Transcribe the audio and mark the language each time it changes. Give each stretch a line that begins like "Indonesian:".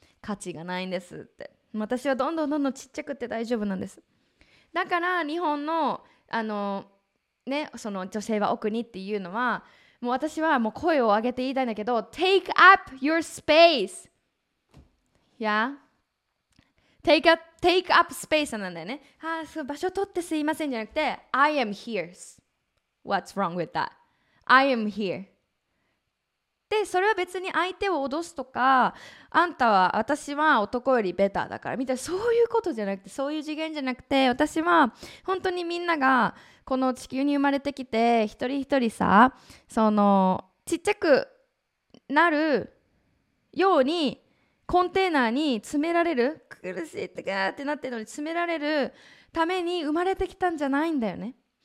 Japanese: 価値がないんですって、私はどんどんどんどんちっちゃくて大丈夫なんです。だから日本のね、その女性は奥にっていうのは、もう私はもう声を上げて言いたいんだけど、
English: Take up your space! Yeah? Take up space
Japanese: なんだよね。あ、そう、場所取ってすいませんじゃなくて、
English: I am here. What's wrong with that? I am here.
Japanese: で、それは別に相手を脅すとか、あんたは、私は男よりベターだからみたいな、そういうことじゃなくて、そういう次元じゃなくて、私は本当にみんながこの地球に生まれてきて、一人一人さ、そのちっちゃくなるようにコンテーナーに詰められる、苦しいってガーってなってるのに詰められるために生まれてきたんじゃないんだよね。